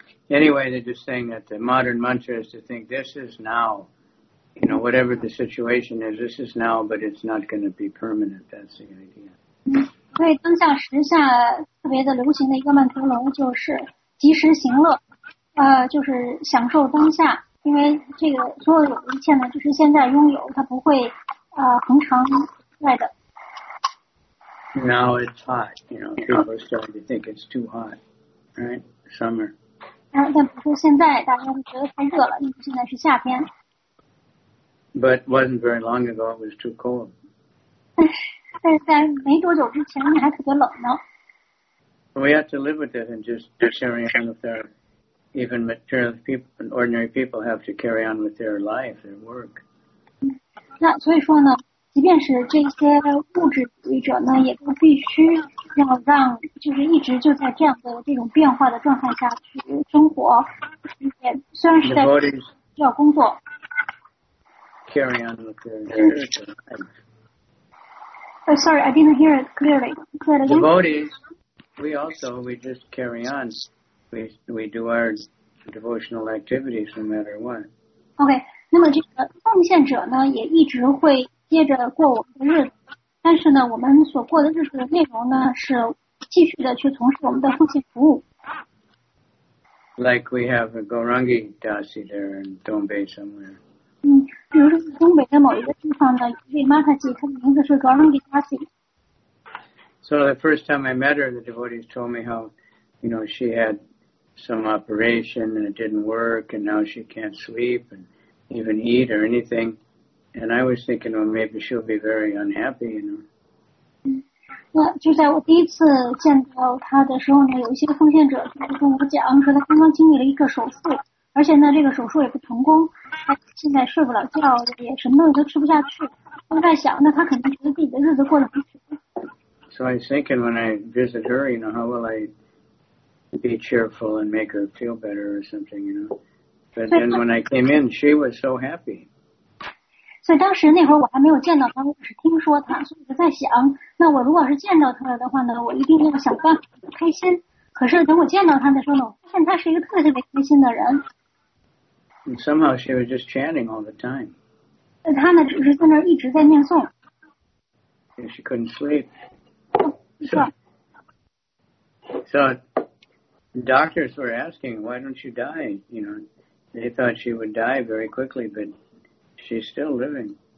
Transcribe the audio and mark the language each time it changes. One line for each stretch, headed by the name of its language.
English: Anyway, they're just saying that the modern mantra is to think this is now. You know, whatever the situation is, this is now, but it's not going to be permanent. That's the idea.
Chinese: 对，当下时下特别的流行的一个曼陀罗就是及时行乐，就是享受当下。因为这个所有一切呢，就是现在拥有，它不会恒常在的。
English: Now it's hot, you know, people start to think it's too hot, right? Summer.
Chinese: 但不是现在大家会觉得太热了，因为现在是夏天。
English: But wasn't very long ago it was too cold.
Chinese: 但是在没多久之前还特别冷呢。
English: We have to live with it and just carry on with our, even material people, ordinary people have to carry on with their life, their work.
Chinese: 那所以说呢，即便是这些物质主义者呢，也不必须要让，就是一直就在这样的这种变化的状态下去生活，也虽然是在需要工作。
English: Carry on with their life. Sorry, I didn't hear it clearly. Devotees, we also, we just carry on. We do our devotional activities no matter what.
Chinese: Okay, 那么这个奉献者呢，也一直会接着过我们的日子，但是呢，我们所过的日子的内容呢，是继续的去从事我们的奉献服务。
English: Like we have a Gaurangi Dasi there in Dongbei somewhere.
Chinese: 比如说东北的某一个地方的一位 Mataji， 他的名字是 Gaurangi Dasi。
English: So the first time I met her, the devotees told me how, you know, she had some operation and it didn't work, and now she can't sleep and even eat or anything. And I was thinking, well, maybe she'll be very unhappy, you know.
Chinese: 那就在我第一次见到她的时候呢，有一些奉献者就跟我讲，说她刚刚经历了一个手术，而且呢，这个手术也不成功，她现在睡不了觉，也什么都吃不下去。我在想，那她肯定觉得自己的日子过得很苦。
English: So I was thinking when I visit her, you know, how will I be cheerful and make her feel better or something, you know? But then when I came in, she was so happy.
Chinese: 所以当时那会儿我还没有见到她，我只是听说她，所以我在想，那我如果是见到她的话呢，我一定要想办法开心。可是等我见到她的时候呢，我发现她是一个特别特别开心的人。
English: And somehow she was just chanting all the time.
Chinese: 她呢，就是在那儿一直在念诵。
English: And she couldn't sleep. So doctors were asking, why don't you die? You know, they thought she would die very quickly, but she's still living.